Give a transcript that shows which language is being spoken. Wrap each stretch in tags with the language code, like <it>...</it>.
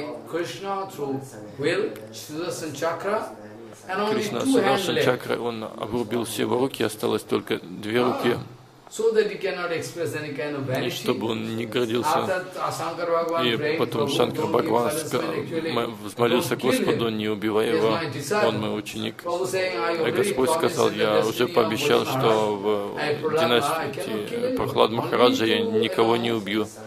<ru>Кришна Сударшан Чакра, он обрубил все его руки, осталось только две руки.</ru> <en>So that he cannot express any kind of vanity.</en> <ru>И чтобы он не гордился. И потом Шанкар Бхагаван взмолился Господу, не убивая его. Он мой ученик. И Господь сказал, я уже пообещал, что в династии Прохлад Махараджа я никого не убью.</ru>